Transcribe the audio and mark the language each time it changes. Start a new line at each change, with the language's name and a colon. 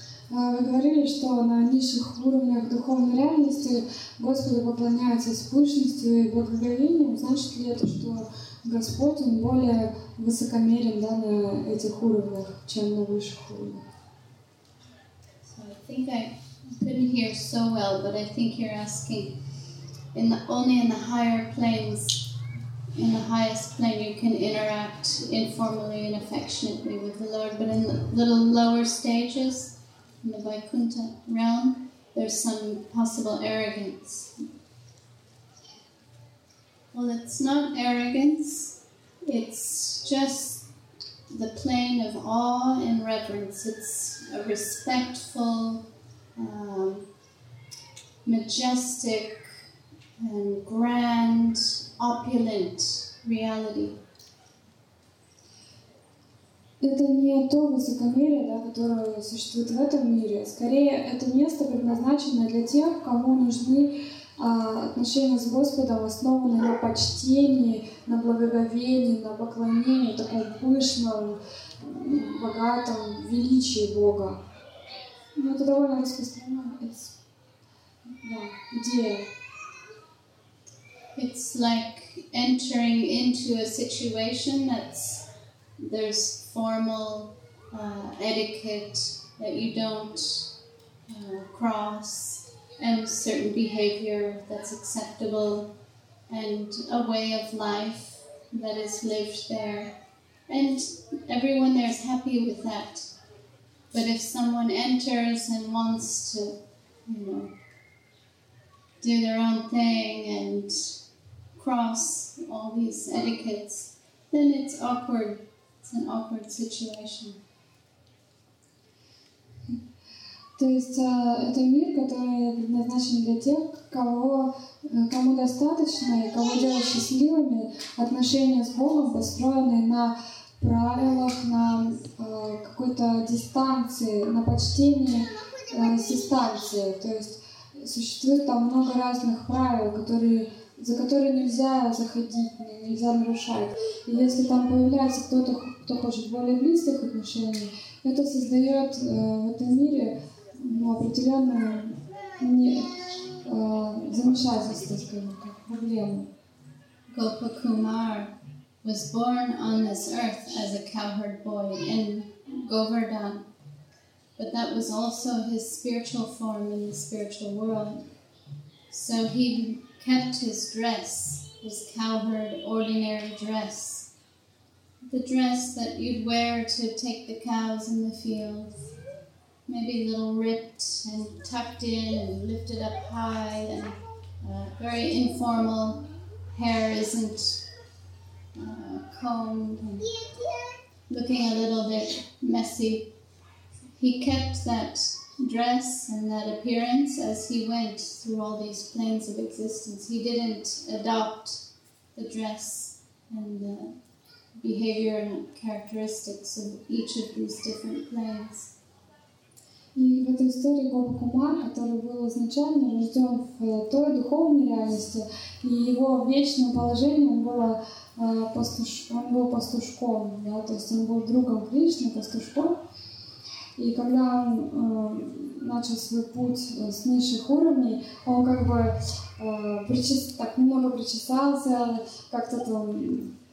Russian: Вы говорили, что на низших уровнях духовной реальности Господу поклоняются с пышностью и благоговением. Значит ли это, что Господь, Он более высокомерен, да, на этих уровнях, чем на высших уровнях?
English: So I think I couldn't hear so well, but I think you're asking in the, only in the higher planes, in the highest plane you can interact informally and affectionately with the Lord, but in the little lower stages, in the Vaikuntha realm, there's some possible arrogance. Well, it's not arrogance. It's just the plane of awe and reverence. It's a respectful, majestic, and grand, opulent reality.
Russian: Это не то высокомерие, да, которое существует в этом мире. Скорее, это место предназначено для тех, кому нужны отношения с Господом, основанные на почтении, на благоговении, на поклонении, таком пышном, богатом величии Бога. Но это довольно распространенная идея.
English: It's like entering into a situation that's there's formal etiquette that you don't cross, and certain behavior that's acceptable, and a way of life that is lived there. And everyone there is happy with that. But if someone enters and wants to, you know, do their own thing and cross all these etiquettes, then it's awkward. An awkward situation.
Russian: То есть это мир, который предназначен для тех, кому достаточно и кого делает счастливыми отношения с Богом, построенные на правилах, на какой-то дистанции, на почтении дистанции. То есть существует там много разных правил, за которые нельзя заходить, нельзя нарушать. И если там появляется кто хочет более близких отношений, это создает в этом мире определенное замешательство, скажем так, проблему.
English: Gopakumar was born on this earth as a cowherd boy in Govardhan, but that was also his spiritual form in the spiritual world. So he kept his dress, his cowherd ordinary dress. The dress that you'd wear to take the cows in the fields, maybe a little ripped and tucked in and lifted up high, and very informal, hair isn't combed, and looking a little bit messy. He kept that dress and that appearance as he went through all these planes of existence. He didn't adopt the dress and the behavior and characteristics of each of these different planes.
Russian: И в этой истории Гопакумар, который был изначально рожден в той духовной реальности, и его вечное положение он был пастушком, да, то есть он был другом Кришны, пастушком. И когда он начал свой путь с низших уровней, он как бы так немного причесался, как-то там